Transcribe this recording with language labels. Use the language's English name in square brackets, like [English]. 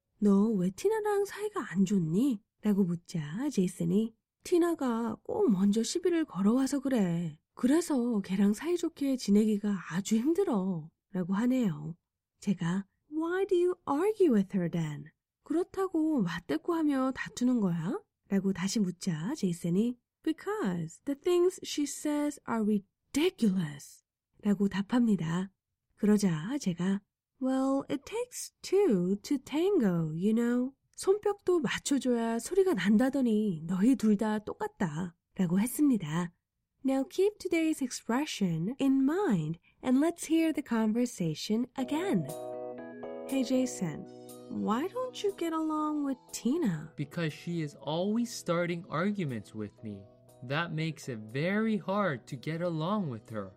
[Korean] 너 왜 티나랑 사이가 안 좋니? 라고 묻자 제이슨이 티나가 꼭 먼저 시비를 걸어와서 그래. 그래서 걔랑 사이좋게 지내기가 아주 힘들어 라고 하네요. 제가 [English] Why do you argue with her then? [Korean] 그렇다고 맞대꾸하며 다투는 거야? 라고 다시 묻자 제이슨이 [English] Because the things she says are ridiculous [Korean] 라고 답합니다. 그러자 제가 [English] Well, it takes two to tango, you know. [Korean] 손뼉도 맞춰줘야 소리가 난다더니 너희 둘 다 똑같다 라고 했습니다. [English] Now keep today's expression in mind and let's hear the conversation again. Hey Jason, why don't you get along with Tina? Because she is always starting arguments with me. That makes it very hard to get along with her.